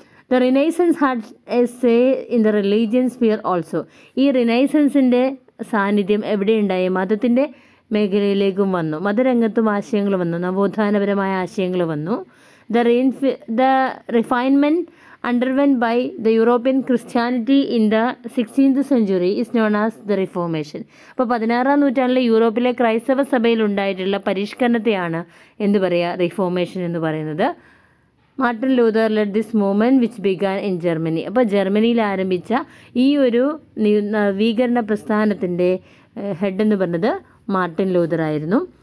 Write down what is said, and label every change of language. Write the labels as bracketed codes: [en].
[en] The Renaissance had a say in the religion sphere also. [ml] ഈ റിനൈസൻസിൻ്റെ സാന്നിധ്യം എവിടെയുണ്ടായി? മതത്തിൻ്റെ മേഖലയിലേക്കും വന്നു. മതരംഗത്തും ആശയങ്ങൾ വന്നു, നവോത്ഥാനപരമായ ആശയങ്ങൾ വന്നു. [en] The refinement underwent by the European Christianity in the 16th century is known as the Reformation. [ml] അപ്പോൾ പതിനാറാം നൂറ്റാണ്ടിലെ യൂറോപ്പിലെ ക്രൈസ്തവ സഭയിൽ ഉണ്ടായിട്ടുള്ള പരിഷ്കരണത്തെയാണ് എന്ത് പറയുക, റിഫോർമേഷൻ എന്ന് പറയുന്നത്. Martin Luther [en] Led this movement which began in Germany. [ml] അപ്പോൾ ജർമ്മനിയിൽ ആരംഭിച്ച ഈ ഒരു നവീകരണ പ്രസ്ഥാനത്തിൻ്റെ ഹെഡ് എന്ന് പറഞ്ഞത് മാർട്ടിൻ ലൂതർ ആയിരുന്നു.